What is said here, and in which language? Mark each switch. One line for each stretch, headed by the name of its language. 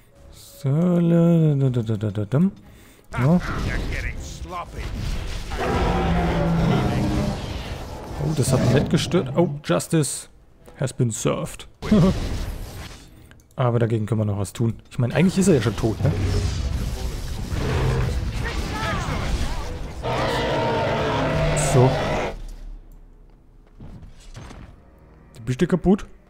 German: So, oh, das hat ihn nicht gestört.
English: Oh, Justice has been served.
German: Aber dagegen können wir noch was tun. Ich meine, eigentlich ist er ja schon tot, ne? So. Die Büste kaputt.